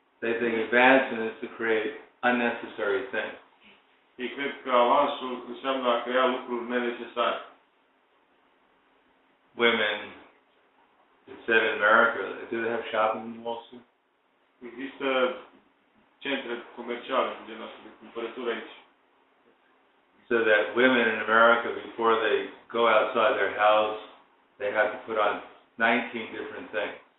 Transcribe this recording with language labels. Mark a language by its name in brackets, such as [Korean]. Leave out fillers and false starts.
[English] They think advancement is to create unnecessary things. [Romanian] Ei cred că avansul înseamnă a crea lucruri nenecesare. [English] Women, it said in America, do they have shopping malls? [Romanian] Există centre comerciale de cumpărături aici. [English] So that women in America, before they go outside their house, they have to put on 19 different things.